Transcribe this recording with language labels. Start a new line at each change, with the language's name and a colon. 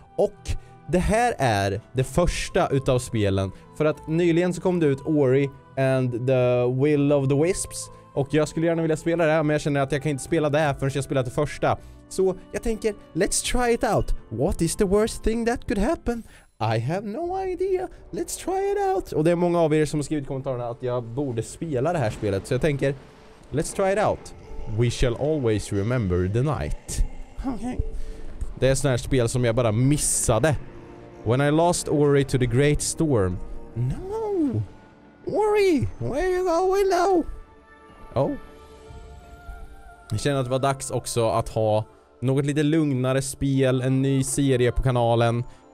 Swedish: Och det här är det första utav spelen, för att nyligen så kom det ut Ori and the Will of the Wisps. Och jag skulle gärna vilja spela det här, men jag känner att jag kan inte spela det här förrän jag spelat det första. Så jag tänker,
English: let's try it out. What is the worst thing that could happen? I have no idea. Let's try it out.
Swedish: Och det är många av er som har skrivit kommentarerna att jag borde spela det här spelet. Så jag tänker,
English: let's try it out. We shall always remember the night. Okay.
Swedish: Det är ett sånt här spel som jag bara missade.
English: When I lost Ori to the great storm. No. Ori, where are you going now? Oh.
Swedish: Jag känner att det var dags också att ha något lite lugnare spel, en ny serie på kanalen.